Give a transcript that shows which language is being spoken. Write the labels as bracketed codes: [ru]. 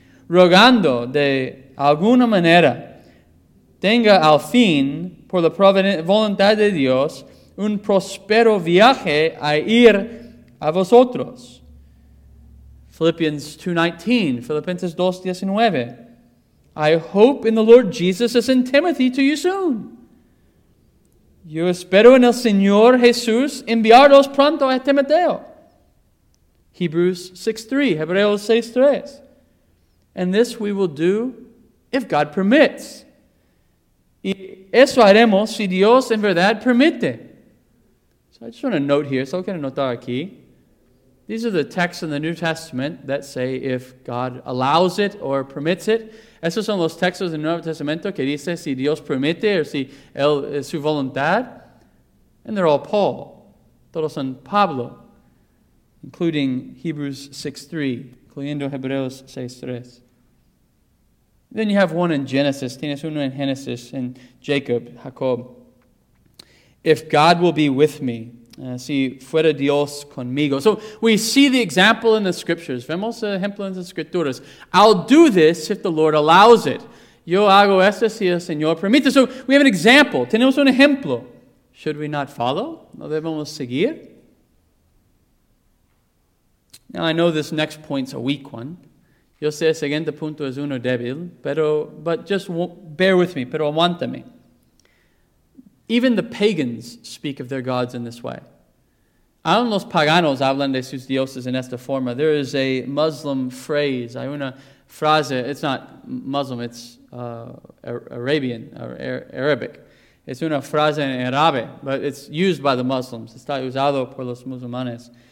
[es] Rogando de alguna manera, tenga al fin, por la voluntad de Dios, un prospero viaje a ir a vosotros. [en] Philippians 2:19, Filipenses 2:19. I hope in the Lord Jesus as in Timothy to you soon. [es] Yo espero en el Señor Jesús enviaros pronto a Timoteo. [en] Hebrews 6:3, Hebreos 6:3. And this we will do if God permits. [es] Y eso haremos si Dios en verdad permite. [en] So I just want to note here, [es] solo quiero notar aquí. [en] These are the texts in the New Testament that say if God allows it or permits it. [es] Esos son los textos del Nuevo Testamento que dice si Dios permite o si él es su voluntad. [en] And they're all Paul. [es] Todos son Pablo. [en] Including Hebrews 6:3. [es] Incluyendo Hebreos 6:3. [en] Then you have one in Genesis. [es] Tienes uno en Genesis. [en] In Jacob, Jacob. If God will be with me. [es] Si fuera Dios conmigo. [en] So we see the example in the scriptures. [es] Vemos el ejemplo en las escrituras. [en] I'll do this if the Lord allows it. [es] Yo hago esto si el Señor permite. [en] So we have an example. [es] Tenemos un ejemplo. [en] Should we not follow? [es] ¿No debemos seguir? [en] Now I know this next point's a weak one. [es] Yo sé el siguiente punto es uno débil. [en] But just bear with me. [es] Pero aguántame. [en] Even the pagans speak of their gods in this way. [es] Aún los paganos hablan de sus dioses en esta forma. [en] There is a Muslim phrase, [es] hay una frase, [en] it's not Muslim, it's Arabian, or Arabic. [es] Es una frase en árabe, [en] but it's used by the Muslims. [es] Está usado por los musulmanes.